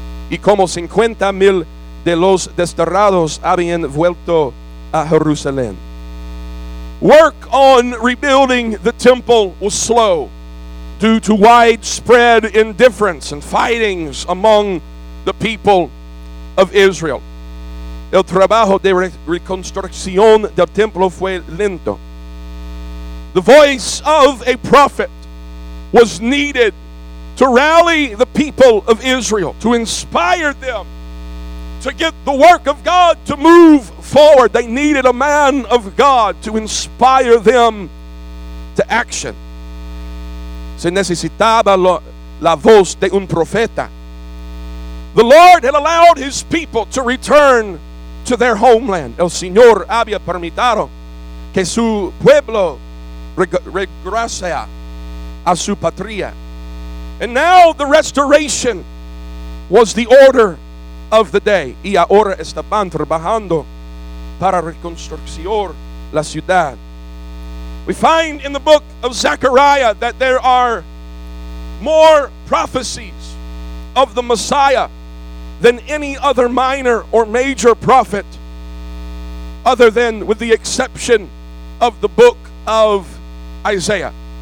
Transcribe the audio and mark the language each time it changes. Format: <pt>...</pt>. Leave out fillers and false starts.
<es>Y como 50,000 de los desterrados habían vuelto a Jerusalén.</es> <en>Work on rebuilding the temple was slow due to widespread indifference and fightings among the people of Israel.</en> <es>El trabajo de reconstrucción del templo fue lento.</es> <en>The voice of a prophet was needed to rally the people of Israel, to inspire them, to get the work of God to move forward. They needed a man of God to inspire them to action.</en> <es>Se necesitaba la voz de un profeta.</es> <en>The Lord had allowed his people to return to their homeland.</en> <es>El Señor había permitido que su pueblo regrese a su patria.</es> <en>And now the restoration was the order of the day.</en> <es>Y ahora estaban trabajando para reconstruir la ciudad.</es> <en>We find in the book of Zechariah that there are more prophecies of the Messiah than any other minor or major prophet, other than with the exception of the book of Isaiah.</en>